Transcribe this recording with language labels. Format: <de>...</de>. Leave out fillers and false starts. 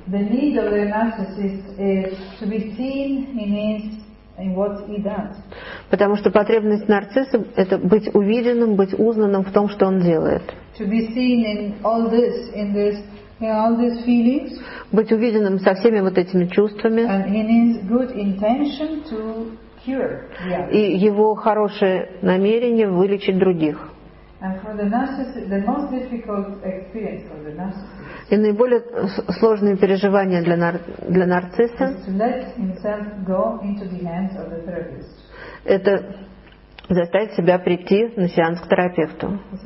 <en>The need of the narcissist is to be seen in his, in what he does.</en> <ru>Потому что потребность нарцисса – это быть увиденным, быть узнанным в том, что он делает.</ru> <en>To be seen in all this, in this, in all these feelings.</en> <ru>Быть увиденным со всеми вот этими чувствами.</ru> <en>And in his good intention to cure.</en> <ru>И его хорошее намерение вылечить других.</ru> <en>And for the narcissist, the most difficult experience for the narcissist.</en> <ru>И наиболее сложные переживания для нарцисса.</ru> <en>Is to let himself go into the hands of the therapist.</en> <ru>Это заставить себя прийти на сеанс к терапевту.</ru>